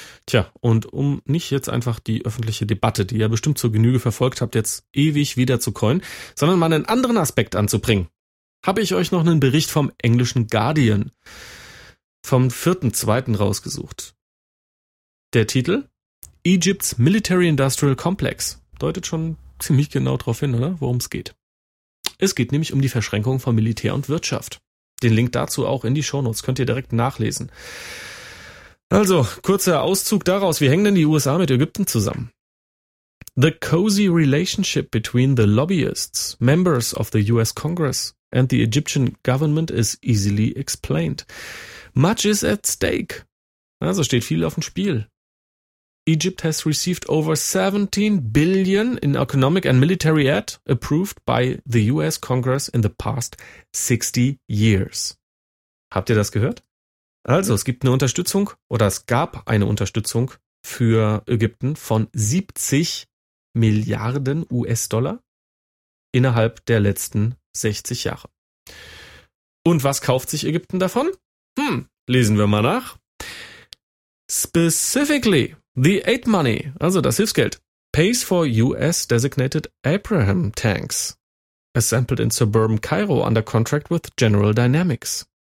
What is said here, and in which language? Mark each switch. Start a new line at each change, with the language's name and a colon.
German: Tja, und um nicht jetzt einfach die öffentliche Debatte, die ihr bestimmt zur Genüge verfolgt habt, jetzt ewig wieder zu keulen, sondern mal einen anderen Aspekt anzubringen, habe ich euch noch einen Bericht vom englischen Guardian vom 4.2. rausgesucht. Der Titel? Egypt's Military Industrial Complex. Deutet schon ziemlich genau darauf hin, oder? Worum es geht. Es geht nämlich um die Verschränkung von Militär und Wirtschaft. Den Link dazu auch in die Shownotes, könnt ihr direkt nachlesen. Also, kurzer Auszug daraus. Wie hängen denn die USA mit Ägypten zusammen?
English: The cozy relationship between the lobbyists, members of the US Congress and the Egyptian government is easily explained. Much is at stake.
German: Also steht viel auf dem Spiel.
English: Egypt has received over 17 billion in economic and military aid approved by the US Congress in the past 60 years.
German: Habt ihr das gehört? Also, es gibt eine Unterstützung oder es gab eine Unterstützung für Ägypten von 70 Milliarden US-Dollar innerhalb der letzten 60 Jahre. Und was kauft sich Ägypten davon? Lesen wir mal nach.
English: Specifically, the aid money,
German: also das Hilfsgeld,
English: pays for US-designated Abraham tanks, assembled in suburban Cairo under contract with General Dynamics.